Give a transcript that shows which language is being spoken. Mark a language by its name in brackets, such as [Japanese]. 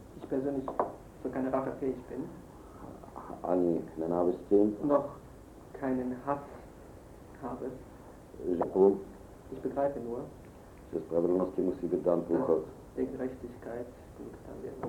[German] ich persönlich so keine Rache fähig bin, [Czech] ani nenávisti, [German] noch keinen Hass habe, ich begreife nur, [Czech] že spravedlnosti musí být dán průchod. [German] Die Gerechtigkeit muss getan werden.